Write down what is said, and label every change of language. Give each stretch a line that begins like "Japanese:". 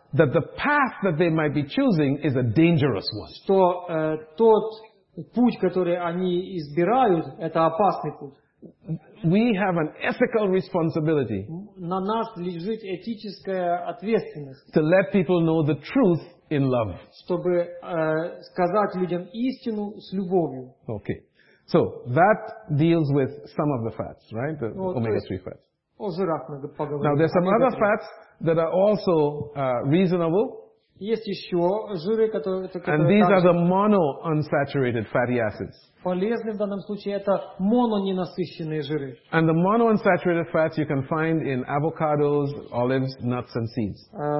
English: that the path that they might be choosing is a dangerous one.
Russian: Что тот путь, который они избирают, это опасный путь.
English: We have an ethical responsibility.
Russian: На нас лежит этическая ответственность.
English: To let people know the truth in love.
Russian: Чтобы сказать людям истину с любовью.
English: Okay. So that deals with some of the fats, right? The omega-3 fats.
Russian: О жирах мы поговорим.
English: Now there's some other fats that are also reasonable.
Russian: Есть еще жиры, которые также.
English: And these are the monounsaturated fatty acids.
Russian: Полезны в данном случае это мононенасыщенные жиры.
English: And the monounsaturated fats you can find in avocados, olives, nuts, and seeds.